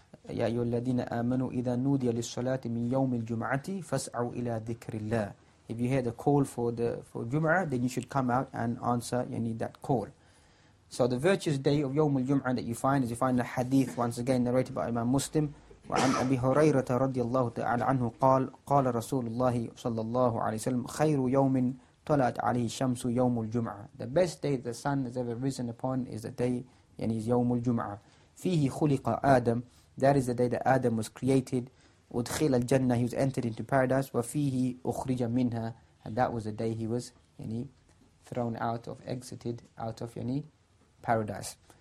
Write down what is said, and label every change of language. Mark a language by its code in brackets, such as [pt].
[ar] يَا أَيُّهَا الَّذِينَ آمَنُوا إِذَا نُودِيَ لِلصَّلَاةِ مِنْ يَوْمِ الْجُمْعَةِ فَاسْعَوْا إِلَىٰ ذِكْرِ اللَّهِ. [en] If you hear the call for Jum'ah, then you should come out and answer that call. So the virtuous day of Yawmul Jum'ah that you find is the hadith, once again narrated by Imam Muslim, [ar] وعن أبي هريرة رضي الله تعالى عنه قال قال رسول الله صلى الله عليه وسلم خير يوم طلعت عليه الشمس يوم الجمعة. [en] The best day the sun has ever risen upon is the day, [ar] يعني يوم الجمعة. فيه خلق آدم. [en] That is the day that Adam was created. [ar] ودخل الجنة. [en] He was entered into paradise. [ar] وفيه أخرج منها. [en] And that was the day he was, يعني, thrown out of, exited out of, يعني, paradise.